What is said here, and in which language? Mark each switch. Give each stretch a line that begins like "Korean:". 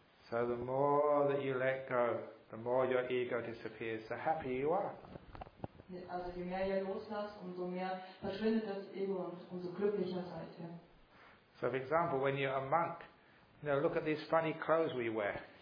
English: So the more that you let go, the more your ego disappears, the happier you are.
German: Also je mehr ihr loslasst, umso mehr verschwindet das Ego und umso glücklicher seid ihr.
English: So for example, when you're a monk, you know, look at these funny clothes we wear.